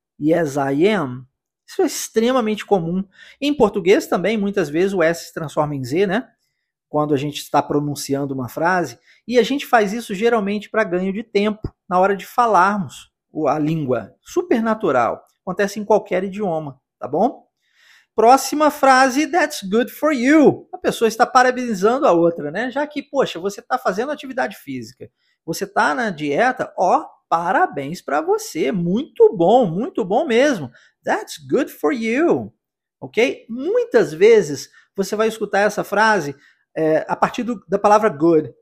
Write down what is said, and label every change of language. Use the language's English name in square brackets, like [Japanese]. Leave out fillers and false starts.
[English] Yes, I am. [Portuguese] Isso é extremamente comum. Em português também, muitas vezes, o S se transforma em Z, né? Quando a gente está pronunciando uma frase. E a gente faz isso geralmente para ganho de tempo, na hora de falarmos a língua. Super natural. Acontece em qualquer idioma, tá bom? Próxima frase, [English] that's good for you. [Portuguese] A pessoa está parabenizando a outra, né? Já que, poxa, você está fazendo atividade física, você está na dieta, ó, parabéns para você. Muito bom mesmo. [English] That's good for you. Ok? [Portuguese] Muitas vezes você vai escutar essa frase a partir da palavra good.